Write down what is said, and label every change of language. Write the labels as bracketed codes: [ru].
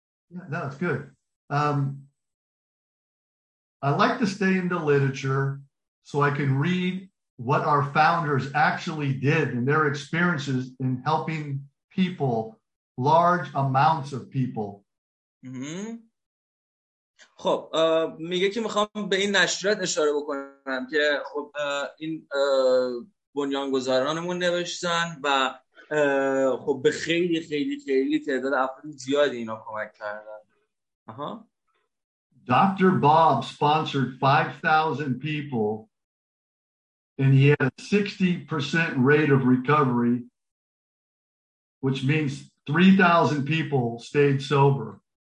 [en] Yeah, no, it's good. I like to stay in the literature so I can read what our founders actually did and their experiences in helping people, large amounts of people. [fa] خب میگه که میخوام به این نشریات اشاره بکنم که خب این بنیانگذارانمون نوشتن و خب به خیلی خیلی خیلی تعداد افراد زیادی اینا کمک کردن. [en] دکتر Bob sponsored 5,000 people and he had a 60% rate of recovery, which means 3,000 people stayed sober.